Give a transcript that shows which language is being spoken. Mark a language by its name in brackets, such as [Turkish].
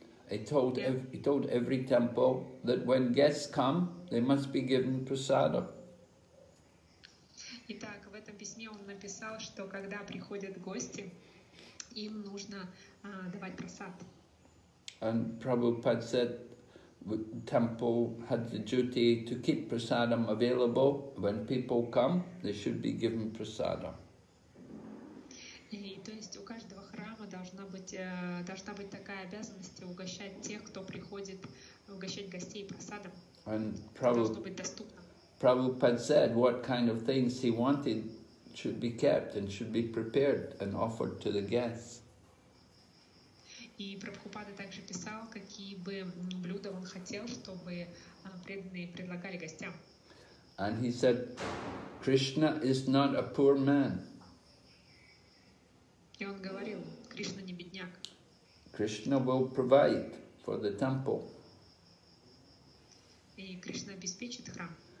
[English] He told every temple that when guests come, they must be given prasada. [Russian] Итак, в этом письме он написал, что когда приходят гости, им нужно давать прасад. [English] And Prabhupada said, the temple had the duty to keep prasadam available. When people come, they should be given prasadam. [Russian] То есть у каждого храма должна быть такая обязанность угощать тех, кто приходит, угощать гостей прасадам. [English] And Prabhupada said what kind of things he wanted should be kept and should be prepared and offered to the guests. [Russian] И Прабхупада также писал, какие бы блюда он хотел, чтобы преданные предлагали гостям. [English] And he said, Krishna is not a poor man. [Russian] И он говорил, Кришна не бедняк. [English] Krishna will provide for the temple. [Russian] И Кришна обеспечит храм.